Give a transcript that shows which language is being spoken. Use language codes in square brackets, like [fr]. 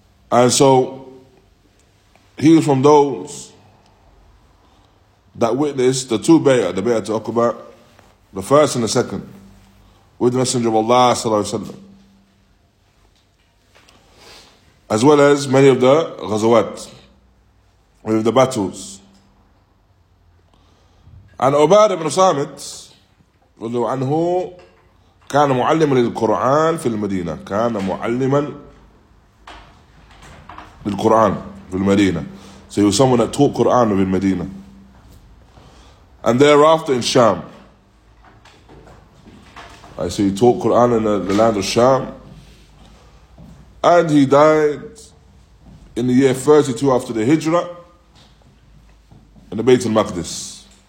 [en] And so, he is from those that witnessed the two bay'ah, the bay'ah to Aqaba, the first and the second, with the Messenger of Allah sallallahu alaihi wasallam, as well as many of the ghazawat, with the battles. And Ubad ibn Samit, radhiyallahu anhu, [ar] كان معلما للقرآن في المدينة. كان معلما للقرآن في المدينة. [en] So he was someone that taught Quran in Medina. And thereafter in Sham. I see he taught Quran in the land of Sham. And he died in the year 32 after the Hijrah in the Bayt al-Maqdis.